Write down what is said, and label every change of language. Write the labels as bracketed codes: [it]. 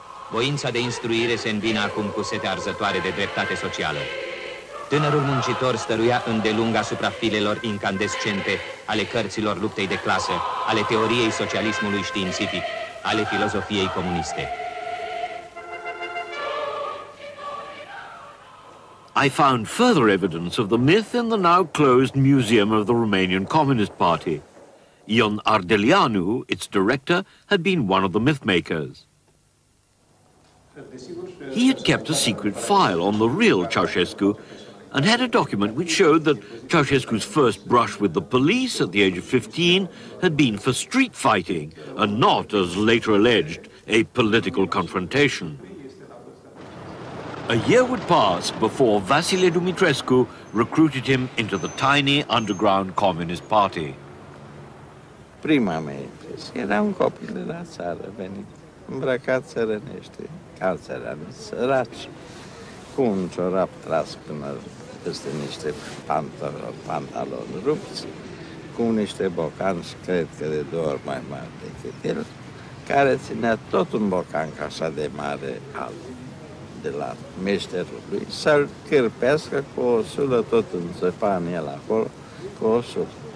[ro] Voința de instruire se îmbină acum cu setea arzătoare de dreptate socială. Tânărul muncitor stăruia îndelung asupra filelor incandescente ale cărților luptei de clasă, ale teoriei socialismului științific, ale filozofiei comuniste. [en] I found further evidence of the myth in the now closed museum of the Romanian Communist Party. Ion Ardelianu, its director, had been one of the mythmakers. He had kept a secret file on the real Ceausescu and had a document which showed that Ceausescu's first brush with the police at the age of 15 had been for street fighting and not, as later alleged, a political confrontation. A year would pass before Vasile Dumitrescu recruited him into the tiny underground Communist Party. [ro] Prima mea impresie era un copil de la țară venit, îmbrăcat țărănește, calțărani, săraci, cu un ciorap tras până peste niște pantaloni rupți, cu niște bocanci, cred că de două ori mai mari decât el, care ținea tot un bocanc așa de mare al de la meșterul lui, să-l cârpească cu o sulă tot în țăpan el acolo, cu o sulă.